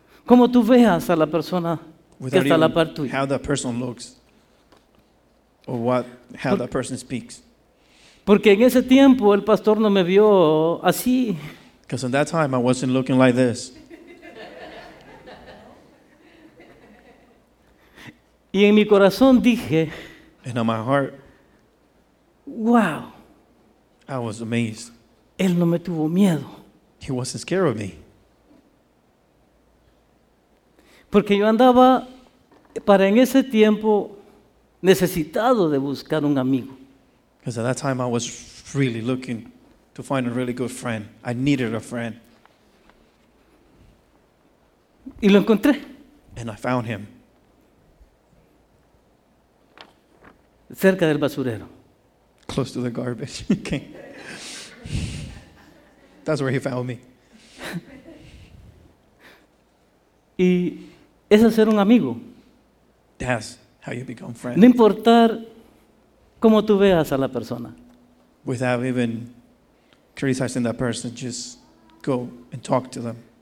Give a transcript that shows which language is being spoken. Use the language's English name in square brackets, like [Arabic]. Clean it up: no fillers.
[Spanish] Cómo tú veas a la persona que está a la par tuya. [English] How that person looks. Or what, how that person speaks. [Spanish] Porque en ese tiempo el pastor no me vio así. [English] Because in that time I wasn't looking like this. [Spanish] Y en mi corazón dije. [English] And in my heart. Wow. I was amazed. [Spanish] Él no me tuvo miedo. [English] He wasn't scared of me. [Spanish] Porque yo andaba para en ese tiempo necesitado de buscar un amigo. [English] Because at that time I was really looking to find a really good friend. I needed a friend. [Spanish] Y lo encontré. [English] And I found him. [Spanish] Cerca del basurero. [English] Close to the garbage. Okay. That's where he found me. [Spanish] Y es hacer un amigo. [English] That's how you become friends. [Spanish] No importar cómo tú veas a la persona. [English] Without even criticizing that person, just go and talk to them.